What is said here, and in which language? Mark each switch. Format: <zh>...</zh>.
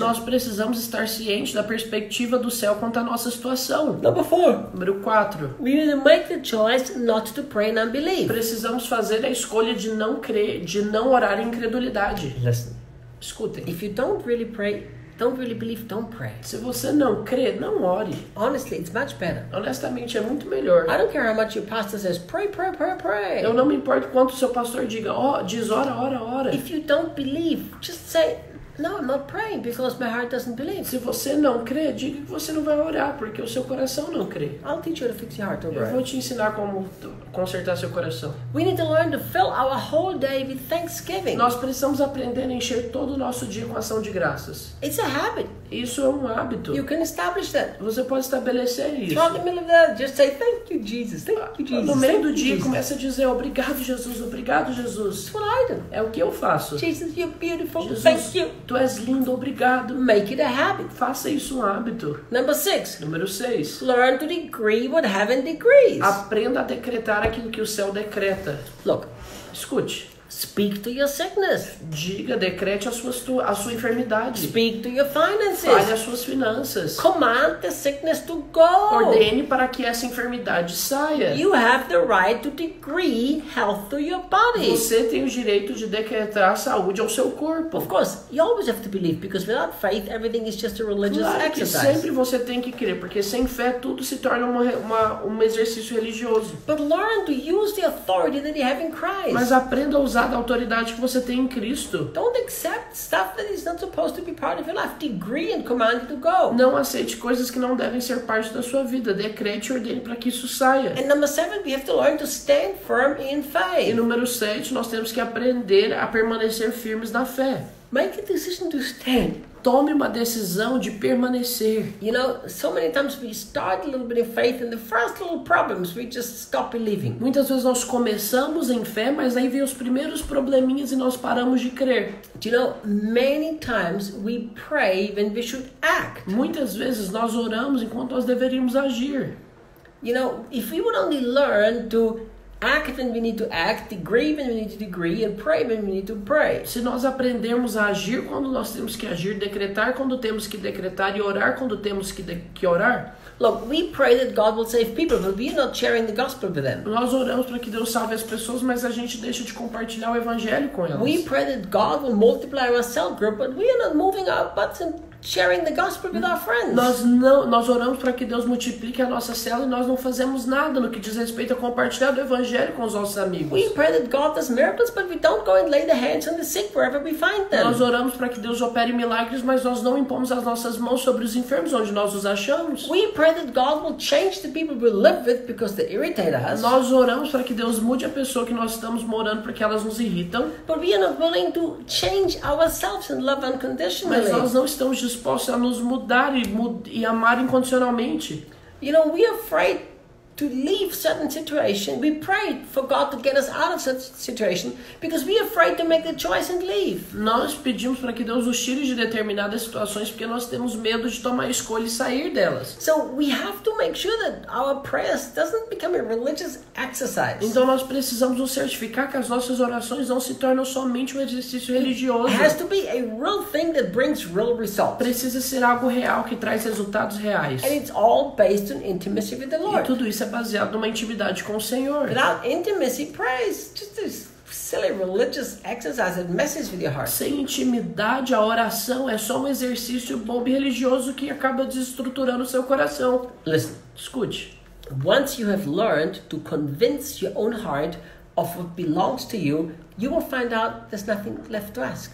<pt>Nós precisamos estar cientes da perspectiva do céu quanto à nossa situação.</pt> <en>Number four.</en> <pt>Número 4.</pt> <en>We need to make the choice not to pray in unbelief.</en> <pt>Precisamos fazer a escolha de não crer, de não orar em incredulidade.</pt> <en>Listen.</en> <pt>Escutem.</pt> <en>If you don't really pray, don't really believe, don't pray.</en> <pt>Se você não crê, não ore.</pt> <en>Honestly, it's much better.</en> <pt>Honestamente, é muito melhor.</pt> <en>I don't care how much your pastor says, pray, pray, pray, pray.</en> <pt>Eu não me importo quanto seu pastor diga, diz ora, ora, ora.</pt> <en>If you don't believe, just say, no, I'm not praying because my heart doesn't believe.</en> <pt>Se você não crê, diga que você não vai orar porque o seu coração não crê.</pt> <en>I'll teach you how to fix your heart, don't worry.</en> <pt>Eu vou te ensinar como consertar seu coração.</pt> <en>We need to learn to fill our whole day with thanksgiving.</en> <pt>Nós precisamos aprender a encher todo o nosso dia com ação de graças.</pt> <en>It's a habit.</en> <pt>Isso é um hábito.</pt> <en>You can establish that.</en> <pt>Você pode estabelecer isso.</pt> <en>Throughout the middle of the day, just say thank you, Jesus. Thank you, Jesus.</en> <pt>No meio do dia, começa a dizer obrigado, Jesus. Obrigado, Jesus.</pt> <en>That's what I do.</en> <pt>É o que eu faço.</pt> <en>Jesus, you're beautiful. Jesus, thank you.</en> <pt>Tu és lindo, obrigado.</pt> <en>Make it a habit.</en> <pt>Faça isso um hábito.</pt> <en>Number six.</en> <pt>Número 6.</pt> <en>Learn to decree what heaven decrees.</en> <pt>Aprenda a decretar aquilo que o céu decreta.</pt> <en>Look.</en> <pt>Escute.</pt> <en>Speak to your sickness.</en> <pt>Diga, decrete a sua enfermidade.</pt> <en>Speak to your finances.</en> <pt>Fale as suas finanças.</pt> <en>Command the sickness to go.</en> <pt>Ordene para que essa enfermidade saia.</pt> <en>You have the right to decree health to your body.</en> <pt>Você tem o direito de decretar saúde ao seu corpo.</pt> <en>Of course, you always have to believe because without faith everything is just a religious</en> <pt>claro</pt> <en>exercise.</en> <pt>Que sempre você tem que crer porque sem fé tudo se torna um exercício religioso.</pt> <en>But learn to use the authority that you have in Christ.</en> <pt>Mas aprenda a usar da autoridade que você tem em Cristo.</pt> <en>Don't accept stuff that is not supposed to be part of your life. Degree and command it to go.</en> <pt>Não aceite coisas que não devem ser parte da sua vida. Decrete e ordene para que isso saia.</pt> <en>And number seven, we have to learn to stand firm in faith.</en> <pt>E número 7, nós temos que aprender a permanecer firmes na fé.</pt> <en>Make a decision to stand.</en> <pt>Tome uma decisão de permanecer.</pt> <en>You know, so many times we start a little bit of faith and the first little problems we just stop believing.</en> <pt>Muitas vezes nós começamos em fé, mas aí vem os primeiros probleminhas e nós paramos de crer.</pt> <en>You know, many times we pray when we should act.</en> <pt>Muitas vezes nós oramos enquanto nós deveríamos agir.</pt> <en>You know, if we would only learn to act when we need to act, degree when we need to degree, and pray when we need to pray.</en> <pt>Se nós aprendermos a agir quando nós temos que agir, decretar quando temos que decretar e orar quando temos que orar.</pt> <en>Look, we pray that God will save people, but we are not sharing the gospel with them.</en> <pt>Nós oramos para que Deus salve as pessoas, mas a gente deixa de compartilhar o evangelho com elas.</pt> <en>We pray that God will multiply our cell group, but we are not moving our butts and sharing the gospel with our friends.</en> <pt>Nós oramos para que Deus multiplique a nossa célula e nós não fazemos nada no que diz respeito a compartilhar o evangelho com os nossos amigos.</pt> <en>We pray that God does miracles, but we don't go and lay the hands on the sick wherever we find them.</en> <pt>Nós oramos para que Deus opere milagres, mas nós não impomos as nossas mãos sobre os enfermos onde nós os achamos.</pt> <en>We pray that God will change the people we live with because they irritate us.</en> <pt>Nós oramos para que Deus mude a pessoa que nós estamos morando porque elas nos irritam.</pt> <en>But we are not willing to change ourselves and love unconditionally.</en> <pt>Mas nós não estamos dispostos a nos mudar e amar incondicionalmente.</pt> <en>You know, we are afraid to leave certain situation. We pray for God to get us out of such situation because we are afraid to make the choice and leave.</en> <pt>Nós pedimos para que Deus nos tire de determinadas situações porque nós temos medo de tomar a escolha e sair delas.</pt> <en>So we have to make sure that our prayers doesn't become a religious exercise.</en> <pt>Então nós precisamos nos certificar que as nossas orações não se tornam somente um exercício religioso.</pt> <en>It has to be a real thing that brings real results.</en> <pt>Precisa ser algo real que traz resultados reais.</pt> <en>And it's all based on intimacy with the Lord.</en> <pt>Isso é baseado numa intimidade com o Senhor.</pt> <en>Without intimacy, prayer is just this silly religious exercise that messes with your heart.</en> <pt>Sem intimidade, a oração é só um exercício bobo religioso que acaba desestruturando o seu coração.</pt> <en>Listen,</en> <pt>escute.</pt> <en>Once you have learned to convince your own heart of what belongs to you, you will find out there's nothing left to ask.</en>